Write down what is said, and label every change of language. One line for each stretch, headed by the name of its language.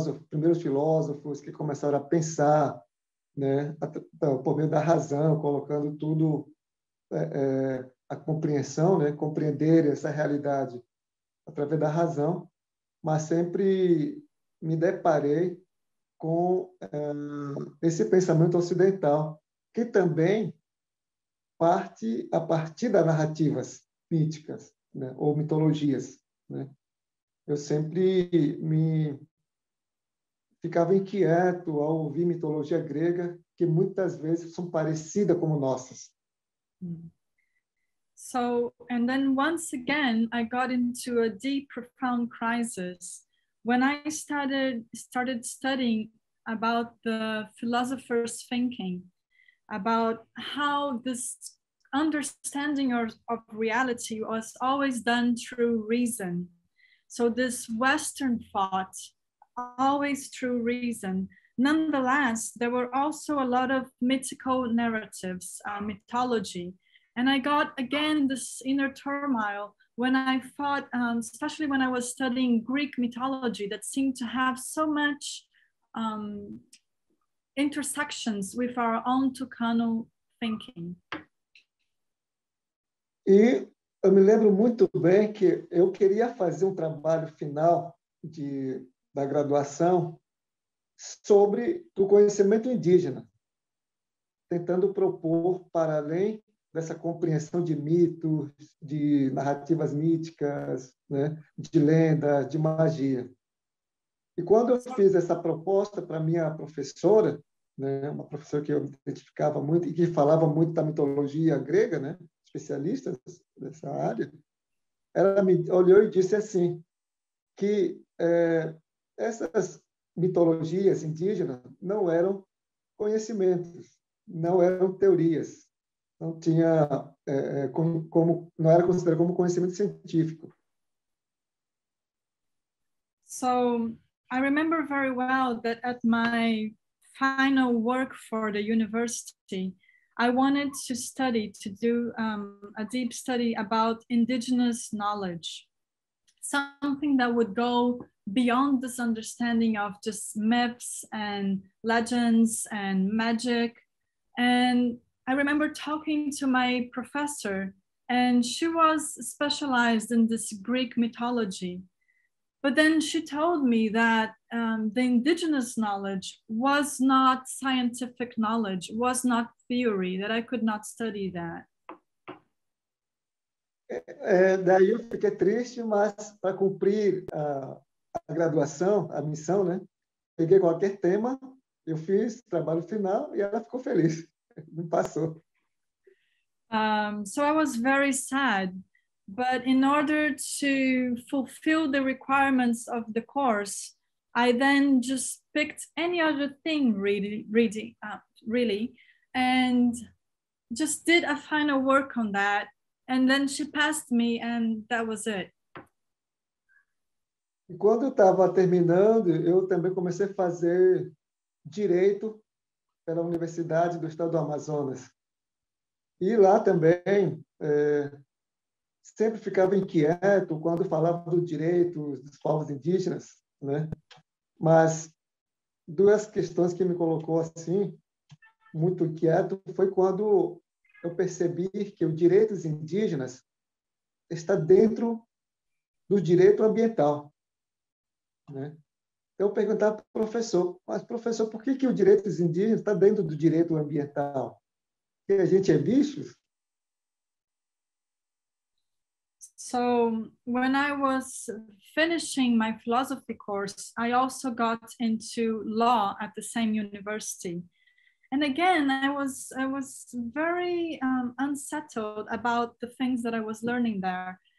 Portuguese: primeiros filósofos que começaram a pensar, né, por meio da razão, colocando tudo a compreensão, né, compreender essa realidade através da razão, mas sempre me deparei com esse pensamento ocidental, que também parte a partir das narrativas míticas, né, ou mitologias, né? Eu sempre me ficava inquieto ao ouvir mitologia grega, que muitas vezes são parecidas com nossas.
English: So, and then once again, I got into a deep, profound crisis when I started studying about the philosopher's thinking, about how this understanding of reality was always done through reason. So this Western thought, always through reason. Nonetheless, there were also a lot of mythical narratives, mythology. And I got, again, this inner turmoil when I thought, especially when I was studying Greek mythology, that seemed to have so much intersections with our own Tucano thinking.
Portuguese: E eu me lembro muito bem que eu queria fazer trabalho final da graduação sobre o conhecimento indígena, tentando propor para além dessa compreensão de mitos, de narrativas míticas, né, de lendas, de magia. E quando eu fiz essa proposta para minha professora, né, uma professora que eu identificava muito e que falava muito da mitologia grega, né, especialista dessa área, ela me olhou e disse assim, que essas mitologias indígenas não eram conhecimentos, não eram teorias. Não tinha como não era considerado como conhecimento científico.
English: So, I remember very well that at my final work for the university, I wanted to study, to do a deep study about indigenous knowledge, something that would go beyond this understanding of just myths and legends and magic. And I remember talking to my professor, and she was specialized in this Greek mythology. But then she told me that the indigenous knowledge was not scientific knowledge, was not theory, that I could not study that.
Portuguese: Daí eu fiquei triste, mas para cumprir a graduação, a missão, né? Peguei qualquer tema, eu fiz trabalho final e ela ficou feliz. Me passou.
English: So I was very sad, but in order to fulfill the requirements of the course, I then just picked any other thing really, and just did a final work on that. And then she passed me, and that was it.
Portuguese: Quando eu estava terminando, eu também comecei a fazer direito pela Universidade do Estado do Amazonas. E lá também, sempre ficava inquieto quando falava do direito dos povos indígenas, né? Mas duas questões que me colocou assim, muito inquieto, foi quando eu percebi que o direito dos indígenas está dentro do direito ambiental, né? Eu perguntava para o professor, mas professor, por que o direito dos indígenas está dentro do direito ambiental? Que a gente é bicho?
English: So, when I was finishing my philosophy course, I also got into law at the same university. And again, I was very unsettled about the things that I was learning there.